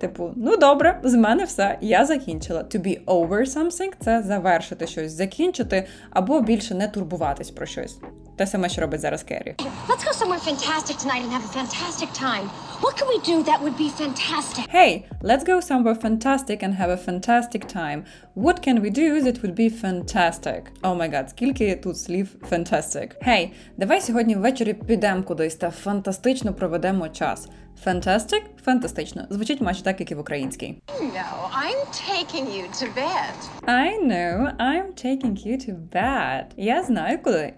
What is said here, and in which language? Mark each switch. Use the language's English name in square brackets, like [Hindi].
[Ukrainian] Типу, ну добре, з мене все, я закінчила. [English] To be over something [Ukrainian] – це завершити щось, закінчити, або більше не турбуватись про щось. Те саме, що робить зараз Керрі. [English] Let's go somewhere fantastic tonight and have a fantastic time. What can we do that would be fantastic? Hey, let's go somewhere fantastic and have a fantastic time. What can we do that would be fantastic? Oh my god, [Ukrainian] скільки тут слів [English] fantastic. [Ukrainian] Hey, давай сьогодні ввечері підемо кудись та фантастично проведемо час. Fantastic? Фантастично. Звучить майже так, як і в українській. [English] No, I'm taking you to bed. I know, I'm taking you to bed. [Ukrainian] Я знаю, куди.